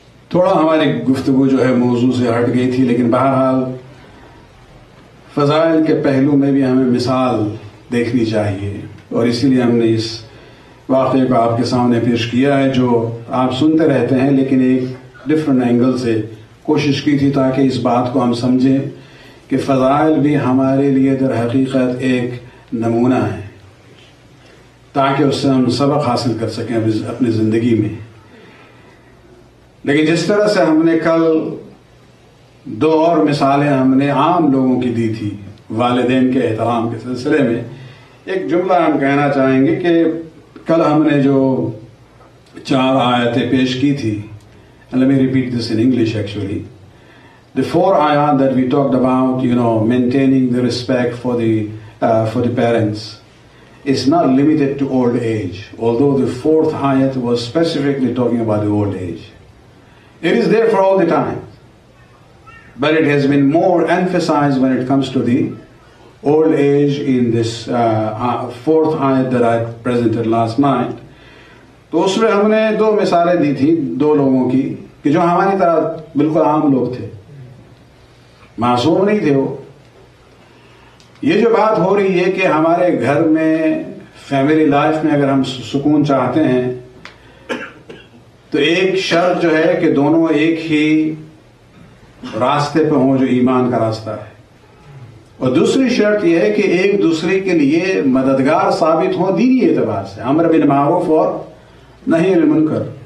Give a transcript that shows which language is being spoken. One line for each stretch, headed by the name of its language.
Urdu: تھوڑا ہماری گفتگو جو ہے موضوع سے ہٹ گئی تھی لیکن بہرحال فضائل کے پہلو میں بھی ہمیں مثال دیکھنی چاہیے اور اسی لیے ہم نے اس واقعے کو آپ کے سامنے پیش کیا ہے جو آپ سنتے رہتے ہیں لیکن ایک
English: different angle
Urdu: سے کوشش کی تھی تاکہ اس بات کو ہم سمجھیں کہ فضائل بھی ہمارے لیے در حقیقت ایک نمونہ ہے تاکہ اس سے ہم سبق حاصل کر سکیں اپنی زندگی میں. لیکن جس طرح سے ہم نے کل دو اور مثالیں ہم نے عام لوگوں کی دی تھی والدین کے احترام کے سلسلے میں, ایک جملہ ہم کہنا چاہیں گے کہ کل ہم نے جو چار آیتیں پیش کی تھی,
English: let me repeat this in English actually, the four ayat that we talked about, you know, maintaining the respect for the parents, it's not limited to old age, although the fourth ayat was specifically talking about the old age. It is there for all the time, but it has been more emphasized when it comes to the old age in this fourth ayat that I presented last night.
Urdu: تو اس میں ہم نے دو مثالیں دی تھیں دو لوگوں کی کہ جو ہماری طرح بالکل عام لوگ تھے, معصوم نہیں تھے. یہ جو بات ہو رہی ہے کہ ہمارے گھر میں فیملی لائف میں اگر ہم سکون چاہتے ہیں تو ایک شرط جو ہے کہ دونوں ایک ہی راستے پہ ہوں جو ایمان کا راستہ ہے, اور دوسری شرط یہ ہے کہ ایک دوسرے کے لیے مددگار ثابت ہوں دینی اعتبار سے, امر بالمعروف اور نہی عن المنکر.